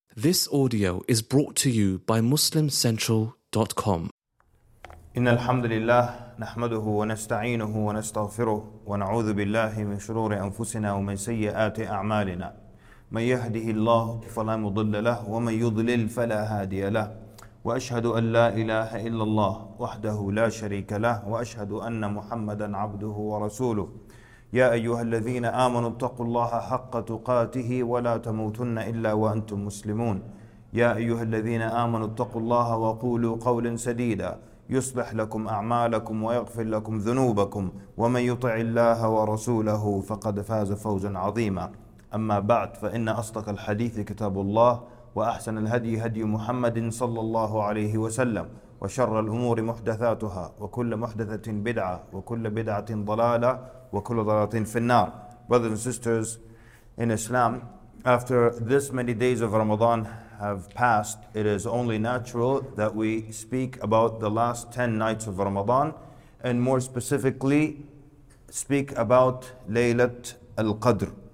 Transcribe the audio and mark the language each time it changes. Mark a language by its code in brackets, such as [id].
[en] This audio is brought to you by MuslimCentral.com. [ar] إن الحمد لله نحمده ونستعينه ونستغفره ونعوذ بالله من شرور أنفسنا ومن سيئات أعمالنا من يهده الله فلا مضل له ومن يضلل فلا هادي له وأشهد أن لا إله إلا الله وحده لا شريك له وأشهد أن محمدا عبده ورسوله يا أيها الذين آمنوا اتقوا الله حق تقاته ولا تموتن إلا وأنتم مسلمون يا أيها الذين آمنوا اتقوا الله وقولوا قولا سديدا يصلح لكم أعمالكم ويغفر لكم ذنوبكم ومن يطع الله ورسوله فقد فاز فوزا عظيما أما بعد فإن أصدق الحديث كتاب الله وأحسن الهدي هدي محمد صلى الله عليه وسلم وشر الأمور محدثاتها وكل محدثة بدعة وكل بدعة ضلالة وكل ضلالة في النار. [en] Brothers and sisters in Islam, after this many days of Ramadan have passed, it is only natural that we speak about the last 10 nights of Ramadan, and more specifically speak about Laylat al-Qadr.